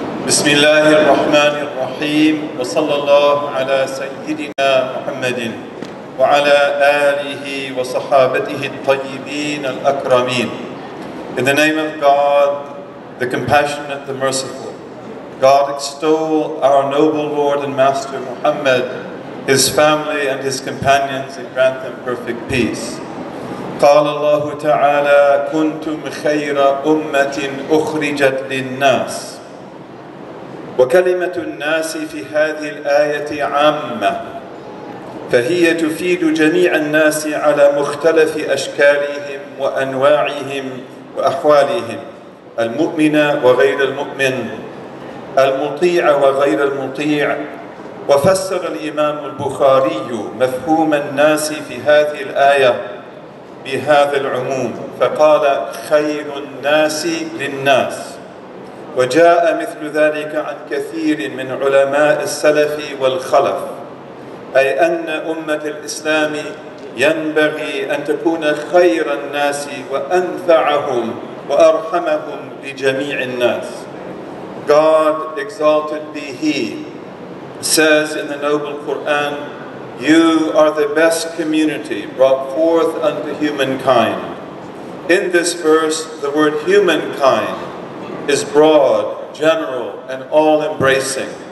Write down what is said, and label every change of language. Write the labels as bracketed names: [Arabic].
[Arabic] بسم الله الرحمن الرحيم وصلى الله على سيدنا محمد وعلى آله وصحابته الطيبين الأكرمين. [English] In the name of God, the compassionate, the merciful, God extol our noble Lord and Master Muhammad, his family and his companions, and grant them perfect peace. [Arabic] قال الله تعالى كنتم خير أمة أخرجت للناس وكلمة الناس في هذه الآية عامة فهي تفيد جميع الناس على مختلف أشكالهم وأنواعهم وأحوالهم المؤمن وغير المؤمن المطيع وغير المطيع وفسر الإمام البخاري مفهوم الناس في هذه الآية بهذا العموم فقال خير الناس للناس وجاء مثل ذلك عن كثير من علماء السلف والخلف أي أن أمة الإسلام ينبغي أن تكون خير الناس وأنفعهم وأرحمهم لجميع الناس. [English] God exalted be He says in the noble Quran, you are the best community brought forth unto humankind. In this verse, the word humankind is broad, general, and all-embracing.